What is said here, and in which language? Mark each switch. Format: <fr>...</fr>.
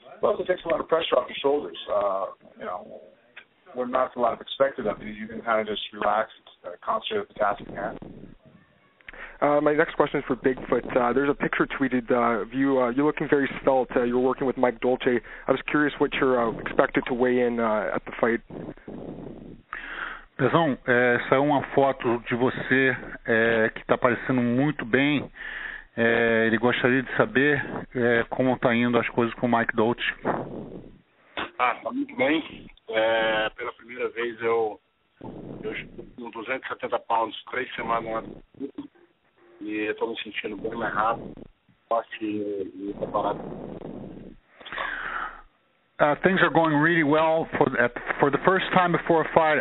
<en>Plus, it takes a lot of pressure off your shoulders. We're not a lot of expected of you. You can kind of just relax and concentrate with the task at hand. My next question is for Bigfoot. There's a picture tweeted of you. You're looking very svelte. You're working with Mike Dolce. I was curious what you're expected to weigh in at the fight.</en> <pt>Pezão, saiu uma foto de você que está aparecendo muito bem. Ele gostaria de saber como está indo as coisas com o Mike Dolce. Está muito bem. Pela primeira vez eu estou com 270 pounds 3 semanas e estou me sentindo bem mais rápido, forte e preparado.</pt> <en>Things are going really well for the first time before a fight.</en>